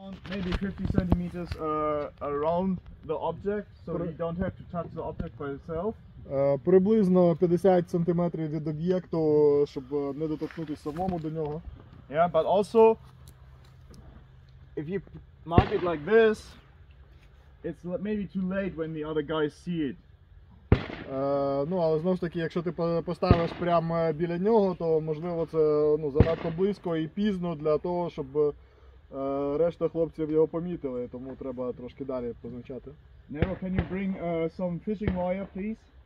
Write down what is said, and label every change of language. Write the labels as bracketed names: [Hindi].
[English] Maybe 50 centimeters around the object, so you don't have to touch the object by itself. [Ukrainian] Приблизно 50 сантиметрів від об'єкту, щоб не доторкнутися самому до нього. [English] Yeah, but also, if you mark it like this, it's maybe too late when the other guys see it. [Ukrainian] Але знову ж таки, якщо ти поставиш прямо біля нього, то можливо це занадто близько і пізно для того, щоб решта хлопців його помітили, тому треба трошки далі позначати. [English] Nero, can you bring some fishing wire, please?